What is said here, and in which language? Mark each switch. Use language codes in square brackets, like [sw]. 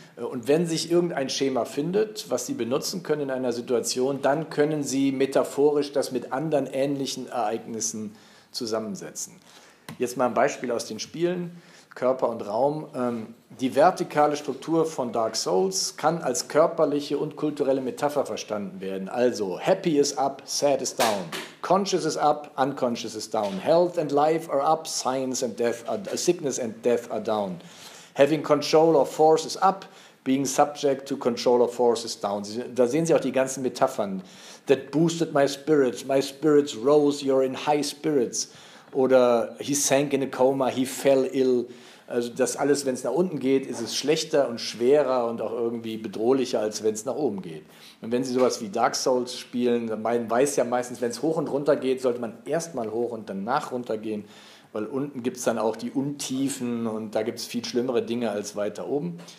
[de] Und wenn sich irgendein Schema findet, was Sie benutzen können in einer Situation, dann können Sie metaphorisch das mit anderen ähnlichen Ereignissen zusammensetzen. Jetzt mal ein Beispiel aus den Spielen, Körper und Raum. Die vertikale Struktur von Dark Souls kann als körperliche und kulturelle Metapher verstanden werden. Also, [en] happy is up, sad is down. Conscious is up, unconscious is down. Health and life are up, sickness and death are down. Having control of force is up, being subject to control of force is down. [de] Da sehen Sie auch die ganzen Metaphern. [en] That boosted my spirits rose, you're in high spirits. [de] Oder [en] he sank in a coma, he fell ill. [de] Also das alles, wenn es nach unten geht, ist es schlechter und schwerer und auch irgendwie bedrohlicher, als wenn es nach oben geht. Und wenn Sie sowas wie Dark Souls spielen, man weiß ja meistens, wenn es hoch und runter geht, sollte man erstmal hoch und danach runter gehen, weil unten gibt es dann auch die Untiefen und da gibt es viel schlimmere Dinge als weiter oben.